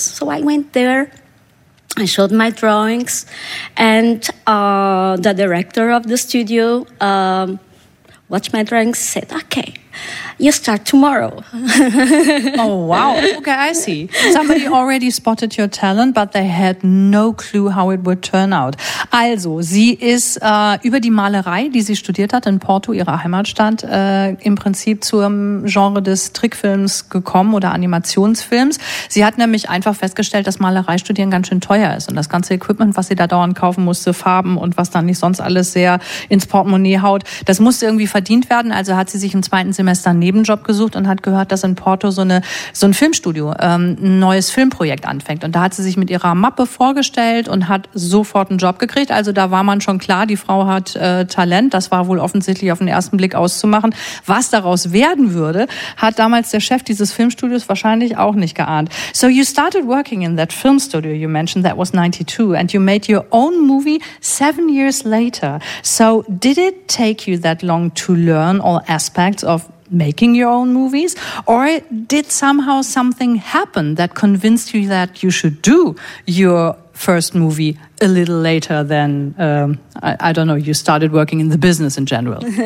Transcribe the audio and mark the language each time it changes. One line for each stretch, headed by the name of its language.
English: So I went there, I showed my drawings, and the director of the studio watched my drawings, said, okay, you start tomorrow. Oh, wow. Okay, I see. Somebody already spotted your talent, but they had no clue how it would turn out.
German: Also, sie ist über die Malerei, die sie studiert hat in Porto, ihrer Heimatstadt, im Prinzip zum Genre des Trickfilms gekommen oder Animationsfilms. Sie hat nämlich einfach festgestellt, dass Malerei studieren ganz schön teuer ist und das ganze Equipment, was sie da dauernd kaufen musste, Farben und was dann nicht sonst alles sehr ins Portemonnaie haut, das musste irgendwie verdient werden. Also hat sie sich im zweiten Semester einen Nebenjob gesucht und hat gehört, dass in Porto so ein Filmstudio ein neues Filmprojekt anfängt. Und da hat sie sich mit ihrer Mappe vorgestellt und hat sofort einen Job gekriegt. Also da war man schon klar, die Frau hat Talent. Das war wohl offensichtlich auf den ersten Blick auszumachen. Was daraus werden würde, hat damals der Chef dieses Filmstudios wahrscheinlich auch nicht geahnt.
English: So you started working in that film studio you mentioned, that was 92, and you made your own movie 7 years later. So did it take you that long to learn all aspects of making your own movies, or did somehow something happen that convinced you that you should do your first movie a little later than, I don't know, you started working in the business in general?